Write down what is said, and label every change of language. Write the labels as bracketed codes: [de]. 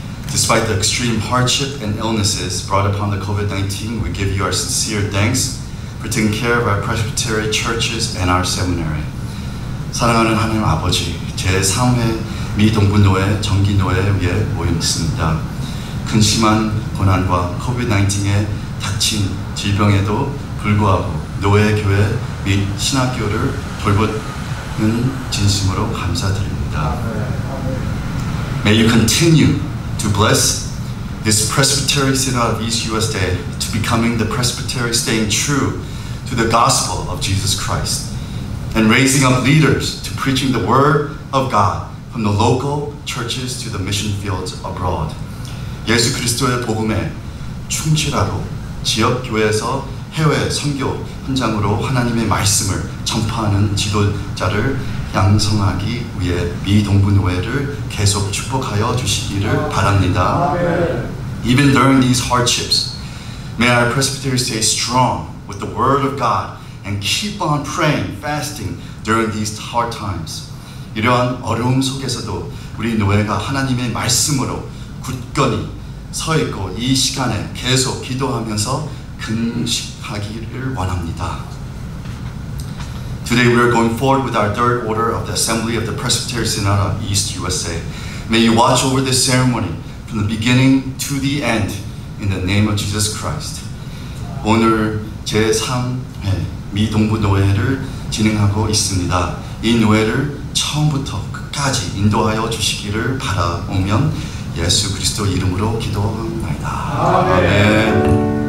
[en] Despite the extreme hardship and illnesses brought upon the COVID-19, we give you our sincere thanks for taking care of our Presbytery churches and our seminary. [ko] 사랑하는 하나님 아버지, 제3회 미동부노회 정기노회 위해 모였습니다. 근심한 고난과 COVID-19에 닥친 질병에도 불구하고 노회 교회 및 신학교를 돌보는 진심으로 감사드립니다. [en] May you continue to bless this Presbytery Synod of East USA to becoming the Presbytery staying true to the gospel of Jesus Christ and raising up leaders to preaching the word of God from the local churches to the mission fields abroad. [ko] 예수 그리스도의 복음에 충실하고 지역교회에서 해외 선교 현장으로 하나님의 말씀을 전파하는 지도자를 양성하기 위해 미동부노회를 계속 축복하여 주시기를 바랍니다. [en] Even during these hardships, may our presbytery stay strong with the word of God and keep on praying, fasting during these hard times. [ko] 이러한 어려움 속에서도 우리 노회가 하나님의 말씀으로 굳건히 서 있고 이 시간에 계속 기도하면서 금식하기를 원합니다. [en] Today we are going forward with our third order of the Assembly of the Presbytery Synod of East USA. May you watch over this ceremony from the beginning to the end in the name of Jesus Christ. [ko] 오늘 제3회 미동부 노회를 진행하고 있습니다. 이 노회를 처음부터 끝까지 인도하여 주시기를 바라오면 예수 그리스도 이름으로 기도합니다. 아멘. 아멘.